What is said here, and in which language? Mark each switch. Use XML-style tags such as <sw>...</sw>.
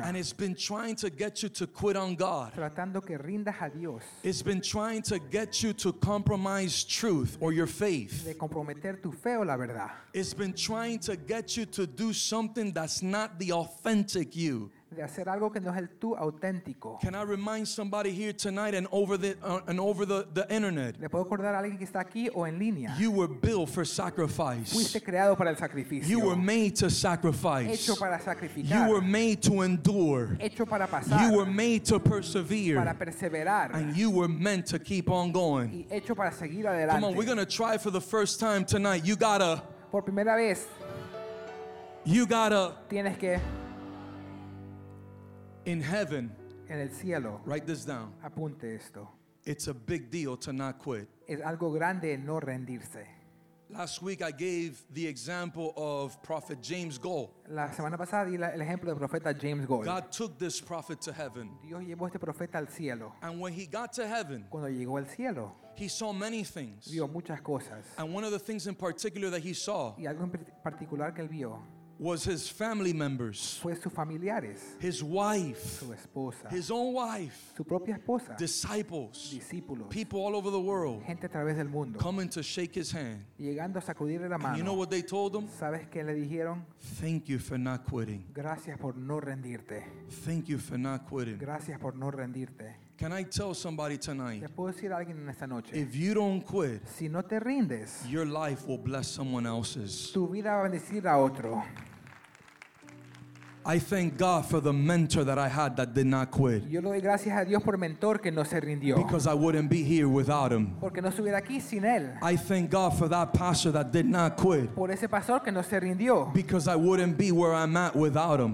<en>And it's been trying to get you to quit on God.</en> <es>Tratando que rindas a Dios.</es> <en>It's been trying to get you to compromise truth or your faith.</en> <es>De comprometer tu fe o la verdad.</es> <en>It's been trying to get you to do something that's not the authentic you.</en> <es>De hacer algo que no es el tú auténtico.</es> <en>Can I remind somebody here tonight and over the internet?</en> <es>¿Le puedo acordar a alguien que está aquí o en línea?</es> <en>You were built for sacrifice.</en> <es>Fuiste creado para el sacrificio.</es> <en>You were made to sacrifice.</en> <es>Hecho para sacrificar.</es> <en>You were made to endure.</en> <es>Hecho para pasar.</es> <en>You were made to persevere.</en> <es>Para perseverar.</es> <en>And you were meant to keep on going.</en> <es>Y hecho para seguir adelante.</es> <en>Come on, we're gonna try for the first time tonight. You gotta.</en> <es>Por primera vez.</es> <en>You gotta.</en> <es>Tienes que.</es> <en>In heaven,</en> <es>en el cielo,</es> <en>write this down.</en> <es>Apunte esto.</es> <en>It's a big deal to not quit.</en> <es>Es algo grande no rendirse.</es> <en>Last week I gave the example of Prophet James Gall.</en> <es>La semana pasada di el ejemplo del profeta James Gall.</es> <en>God took this prophet to heaven.</en> <es>Dios llevó este profeta al cielo.</es> <en>And when he got to heaven,</en> <es>cuando llegó al cielo,</es> <en>he saw many things.</en> <es>Vio muchas cosas.</es> <en>And one of the things in particular that he saw.</en> <es>Y algo en particular que él vio.</es> <en>Was his family members,</en> <es>pues sus familiares,</es> <en>his wife,</en> <es>su esposa,</es> <en>his own wife,</en> <es>su propia esposa,</es> <en>disciples,</en> <es>discípulos,</es> <en>people all over the world,</en> <es>gente a través del mundo,</es> <en>coming to shake his hand.</en> <es>Llegando a sacudirle la mano.</es> <en>And you know what they told him?</en> <es>¿Sabes qué le dijeron?</es> <en>Thank you for not quitting.</en> <es>Gracias por no rendirte.</es> <en>Thank you for not quitting.</en> <es>Gracias por no rendirte.</es> <en>Can I tell somebody tonight?</en> <es>¿Le puedo decir a alguien en esta noche?</es> <en>If you don't quit,</en> <es>si no te rindes,</es> <en>your life will bless someone else's.</en> <es>Tu vida va a bendecir a otro.</es> <en>I thank God for the mentor that I had that did not quit.</en> <es>Yo le doy gracias a Dios por mentor que no se rindió.</es> <en>Because I wouldn't be here without him.</en> <es>Porque no estuviera aquí sin él.</es> <en>I thank God for that pastor that did not quit.</en> <es>Por ese pastor que no se rindió.</es> <en>Because I wouldn't be where I'm at without him.</en>